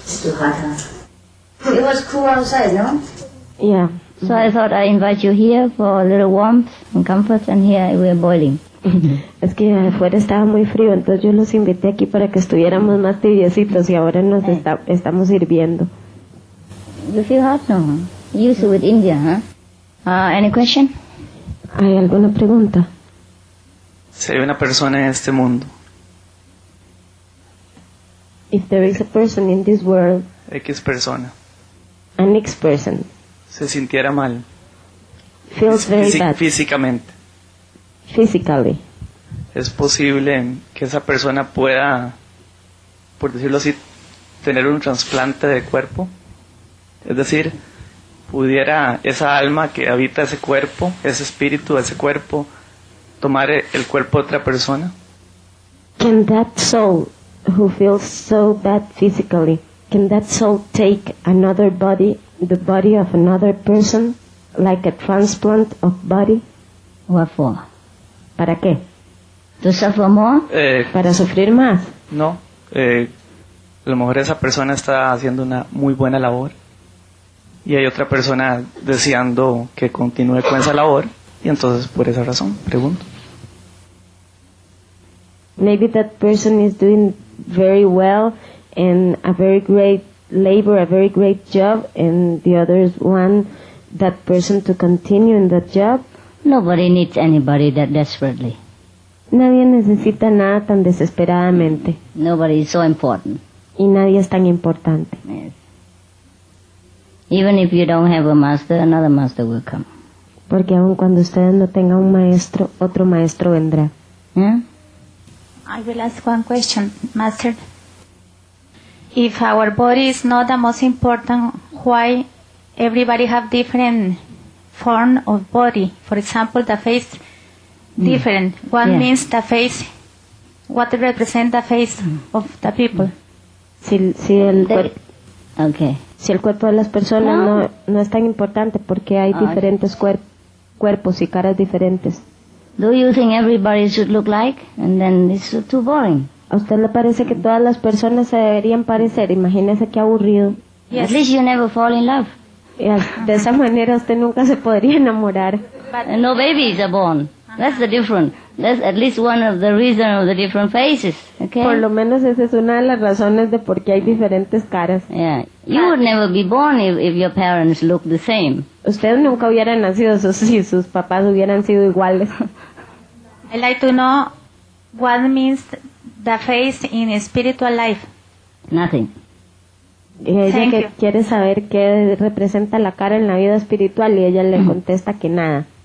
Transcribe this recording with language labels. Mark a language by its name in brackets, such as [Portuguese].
[English] It's too hot, huh? It was cool outside, no? Yeah. So mm-hmm. I thought I'd invite you here for a little warmth and comfort, and here we're boiling. [Spanish] Es que afuera estaba muy frío, entonces yo los invité aquí para que estuviéramos más tibiecitos, y ahora nos estamos hirviendo. [English] You feel hot? No. You used to with India, huh? Any question? [Spanish] ¿Hay alguna pregunta? ¿Se ve una persona en este mundo? [English] If there is a person in this world, [Spanish] X persona, [English] an X person, [Spanish] se sintiera mal, [English] feels very bad, [Spanish] físicamente, [English] physically, [Spanish] es posible que esa persona pueda, por decirlo así, tener un trasplante de cuerpo, es decir, pudiera esa alma que habita ese cuerpo, ese espíritu, ese cuerpo, tomar el cuerpo de otra persona. [English] Can that soul who feels so bad physically, can that soul take another body, the body of another person, like a transplant of body? What for? [Spanish] ¿Para qué? [English] To suffer more? [Spanish] ¿Para sufrir más? No. A lo mejor esa persona está haciendo una muy buena labor y hay otra persona deseando que continúe con esa labor, y entonces por esa razón, pregunto. [English] Maybe that person is doing very well and a very great labor, a very great job, and the others want that person to continue in that job. Nobody needs anybody that desperately. [Spanish] Nadie necesita nada tan desesperadamente. [English] Nobody is so important. [Spanish] Y nadie es tan importante. [English] Yes. Even if you don't have a master, another master will come. [Spanish] Porque aun cuando ustedes no tengan un maestro, otro maestro vendrá. ¿Eh? Yeah? [English] I will ask one question, Master. If our body is not the most important, why everybody have different form of body? For example, the face different. Mm. What means the face? What represent the face of the people? [Spanish] Si el cuerpo de las personas no es tan importante, porque hay diferentes cuerpos y caras diferentes. [English] Do you think everybody should look like? And then it's too boring. [Spanish] ¿A usted le parece que todas las personas se deberían parecer? Imagínese qué aburrido. [English] Yes. At least you never fall in love. Yes. [Spanish] De esa manera usted nunca se podría enamorar. [English] But no babies are born. That's the difference. That's at least one of the reasons of the different faces. Okay? [Spanish] Por lo menos esa es una de las razones de por qué hay diferentes caras. [English] Yeah. You would never be born if your parents looked the same. [Spanish] Usted nunca hubiera nacido si sus papás hubieran sido iguales. [English] I like to know what means the face in spiritual life. Nothing. [Spanish] Ella que quiere saber qué representa la cara en la vida espiritual y ella le contesta que nada.